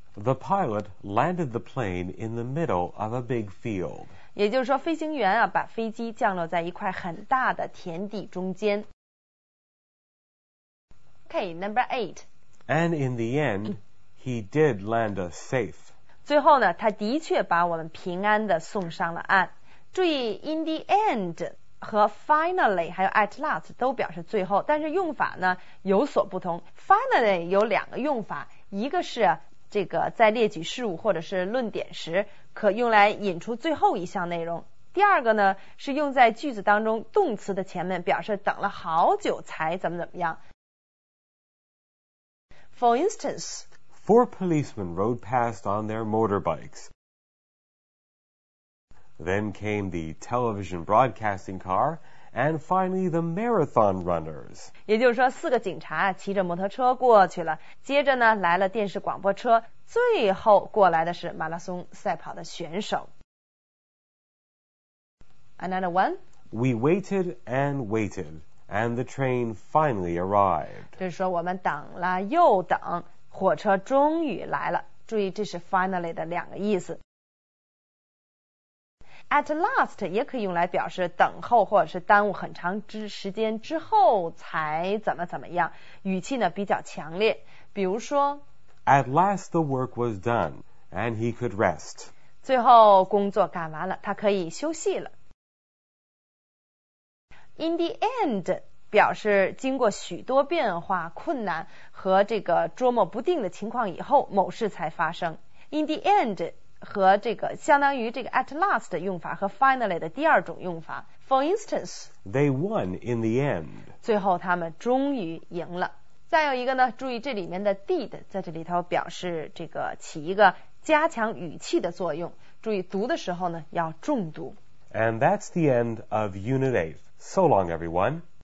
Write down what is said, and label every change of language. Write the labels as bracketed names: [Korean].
[English] The pilot landed the plane in the middle of a big field. [Chinese] 也就是说飞行员啊把飞机降落在一块很大的田地中间。 [English] Okay, number eight. And in the end, he did land us safe. [Chinese] 最后呢他的确把我们平安地送上了岸。注意 in the end 和 finally 还有 at last 都表示最后，但是用法呢有所不同。 Finally 有两个用法，一个是这个在列举事物或者是论点时，可用来引出最后一项内容。第二个呢，是用在句子当中动词的前面，表示等了好久才怎么怎么样。 [English] For instance, four policemen rode past on their motorbikes. Then came the television broadcasting car, and finally the marathon runners. [Chinese] 也就是说，四个警察骑着摩托车过去了，接着呢，来了电视广播车，最后过来的是马拉松赛跑的选手。 [English] Another one. We waited and waited, and the train finally arrived. [Chinese] 就是说我们等了又等，火车终于来了。注意，这是 finally 的两个意思。 At last 也可以用来表示等候或者是耽误很长之时间之后才怎么怎么样，语气呢比较强烈。比如说 [English] ，At last the work was done, and he could rest. [Chinese] 最后工作干完了，他可以休息了。 In the end 表示经过许多变化、困难和这个捉摸不定的情况以后，某事才发生。 In the end 和这个相当于这个 at last 的用法和 finally 的第二种用法。 [English] For instance, they won in the end. [Chinese] 最后他们终于赢了。再有一个呢，注意这里面的 did 在这里头表示这个起一个加强语气的作用。注意读的时候呢要重读。 [English] And that's the end of Unit 8. So long, everyone.